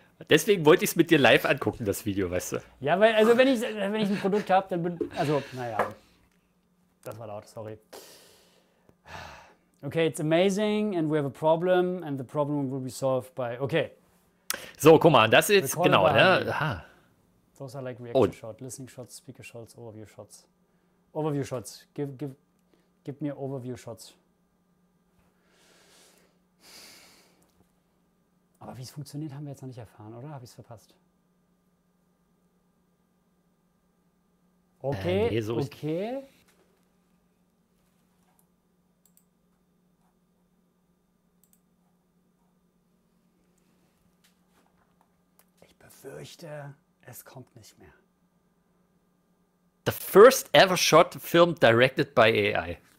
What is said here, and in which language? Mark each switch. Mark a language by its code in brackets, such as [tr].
[de] Deswegen wollte ich es mit dir live angucken, das Video, weißt du? Ja, weil, also wenn ich ein Produkt habe, dann bin, also, naja, das war laut, sorry. [en] Okay, it's amazing and we have a problem and the problem will be solved by, okay. [de] So, guck mal, das ist jetzt, genau, ja. [en] Those are like reaction shots, listening shots, speaker shots, overview shots. [de] Overview shots, gib mir overview shots. Aber wie es funktioniert, haben wir jetzt noch nicht erfahren, oder? Habe ich es verpasst? Okay, nee, so okay. Ist... Ich befürchte, es kommt nicht mehr. [en] The first ever short film directed by AI.